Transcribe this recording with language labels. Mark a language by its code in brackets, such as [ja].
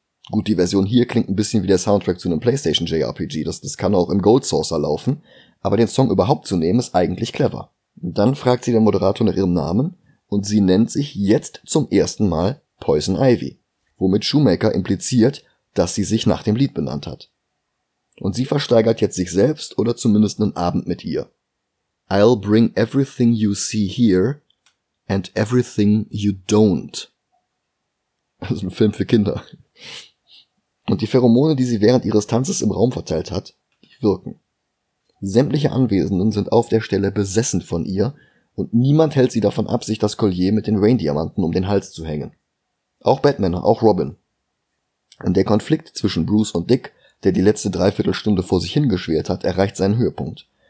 [de] Gut, die Version hier klingt ein bisschen wie der Soundtrack zu einem PlayStation JRPG, das kann auch im Gold Saucer laufen, aber den Song überhaupt zu nehmen, ist eigentlich clever. Und dann fragt sie den Moderator nach ihrem Namen und sie nennt sich jetzt zum ersten Mal Poison Ivy, womit Shoemaker impliziert, dass sie sich nach dem Lied benannt hat. Und sie versteigert jetzt sich selbst oder zumindest einen Abend mit ihr. [en] I'll bring everything you see here and everything you don't. [de] Das ist ein Film für Kinder. Und die Pheromone, die sie während ihres Tanzes im Raum verteilt hat, die wirken. Sämtliche Anwesenden sind auf der Stelle besessen von ihr und niemand hält sie davon ab, sich das Collier mit den Raindiamanten um den Hals zu hängen. Auch Batman, auch Robin. Und der Konflikt zwischen Bruce und Dick, der die letzte Dreiviertelstunde vor sich hingeschwert hat, erreicht seinen Höhepunkt.